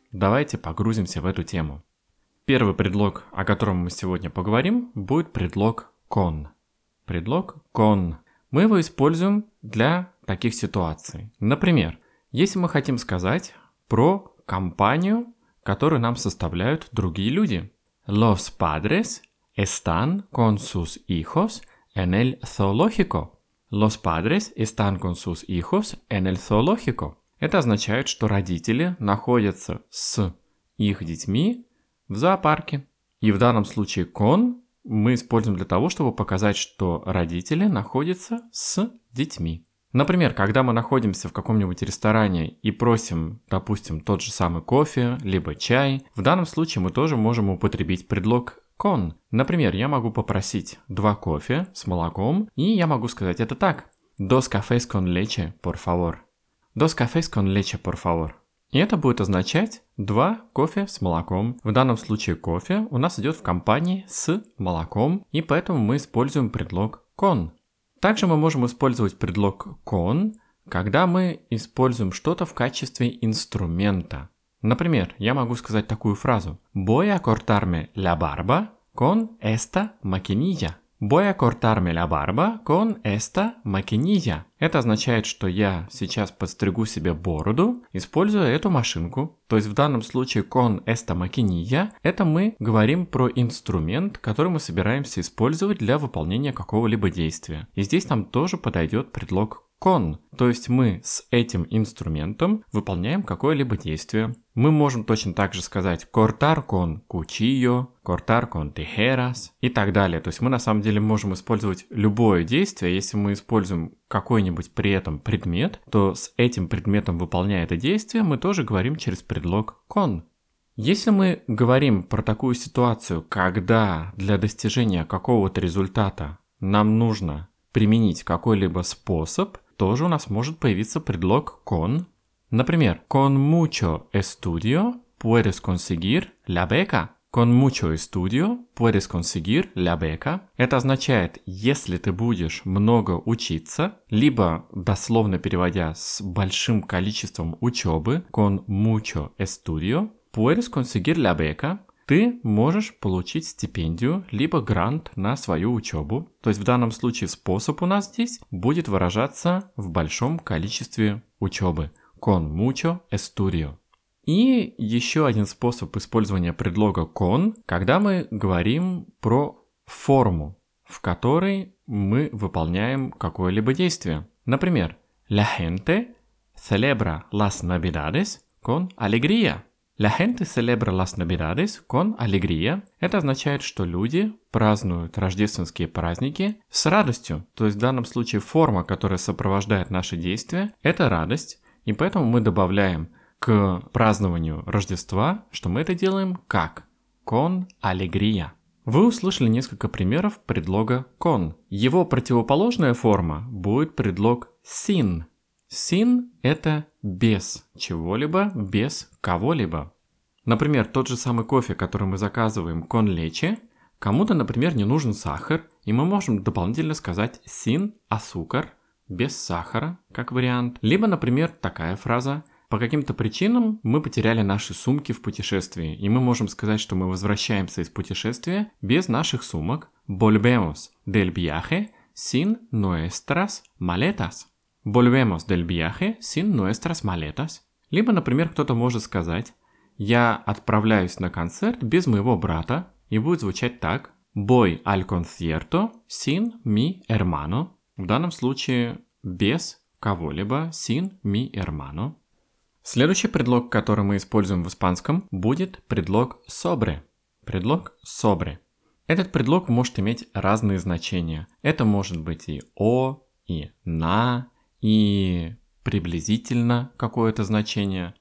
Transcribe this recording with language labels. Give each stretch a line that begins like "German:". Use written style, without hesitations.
Russian: Давайте погрузимся в эту тему. Первый предлог, о котором мы сегодня поговорим, будет предлог con. Предлог con. Мы его используем для таких ситуаций. Например, если мы хотим сказать про компанию, которую нам составляют другие люди.
Spanish: Los padres están con sus hijos en el zoológico. Los padres están con sus hijos en el zoológico.
Russian: Это означает, что родители находятся с их детьми в зоопарке. И в данном случае con мы используем для того, чтобы показать, что родители находятся с детьми. Например, когда мы находимся в каком-нибудь ресторане и просим, допустим, тот же самый кофе, либо чай, в данном случае мы тоже можем употребить предлог con. Например, я могу попросить два кофе с молоком, и я могу сказать это так.
Spanish: Dos cafés con leche, por favor. Dos cafés con leche, por favor.
Russian: И это будет означать два кофе с молоком. В данном случае кофе у нас идет в компании с молоком, и поэтому мы используем предлог con. Также мы можем использовать предлог con, когда мы используем что-то в качестве инструмента. Например, я могу сказать такую фразу.
Spanish: Voy a cortarme la barba con esta maquinilla. Voy a cortarme la barba con esta maquinilla.
Russian: Это означает, что я сейчас подстригу себе бороду, используя эту машинку. То есть в данном случае
Spanish: con esta maquinilla,
Russian: это мы говорим про инструмент, который мы собираемся использовать для выполнения какого-либо действия. И здесь нам тоже подойдет предлог con. То есть мы с этим инструментом выполняем какое-либо действие. Мы можем точно так же сказать
Spanish: cortar con cuchillo, cortar con tijeras
Russian: и так далее. То есть мы на самом деле можем использовать любое действие. Если мы используем какой-нибудь при этом предмет, то с этим предметом, выполняя это действие, мы тоже говорим через предлог con. Если мы говорим про такую ситуацию, когда для достижения какого-то результата нам нужно применить какой-либо способ, тоже у нас может появиться предлог con.
Spanish: Например, con mucho estudio puedes conseguir la beca. Con mucho estudio puedes conseguir la beca.
Russian: Это означает, если ты будешь много учиться, либо, дословно переводя, с большим количеством учебы,
Spanish: con mucho estudio puedes conseguir la beca,
Russian: ты можешь получить стипендию, либо грант на свою учебу. То есть в данном случае способ у нас здесь будет выражаться в большом количестве учебы.
Spanish: Con mucho estudio.
Russian: И еще один способ использования предлога con, когда мы говорим про форму, в которой мы выполняем какое-либо действие.
Spanish: Например, la gente celebra las navidades con alegría. La gente celebra las navidades con alegría.
Russian: Это означает, что люди празднуют рождественские праздники с радостью. То есть в данном случае форма, которая сопровождает наши действия, это радость. И поэтому мы добавляем к празднованию Рождества, что мы это делаем как?
Spanish: Con alegría.
Russian: Вы услышали несколько примеров предлога con. Его противоположная форма будет предлог sin. Sin – это без чего-либо, без кого-либо. Например, тот же самый кофе, который мы заказываем
Spanish: con leche.
Russian: Кому-то, например, не нужен сахар, и мы можем дополнительно сказать
Spanish: sin azúcar.
Russian: Без сахара, как вариант. Либо, например, такая фраза. По каким-то причинам мы потеряли наши сумки в путешествии, и мы можем сказать, что мы возвращаемся из путешествия без наших сумок.
Spanish: Volvemos del viaje sin nuestras maletas. Volvemos del viaje sin nuestras maletas.
Russian: Либо, например, кто-то может сказать, я отправляюсь на концерт без моего брата, и будет звучать так.
Spanish: Voy al concierto sin mi hermano.
Russian: В данном случае без кого-либо,
Spanish: sin mi hermano.
Russian: Следующий предлог, который мы используем в испанском, будет предлог sobre. Предлог sobre. Этот предлог может иметь разные значения. Это может быть и о, и на, и приблизительно какое-то значение.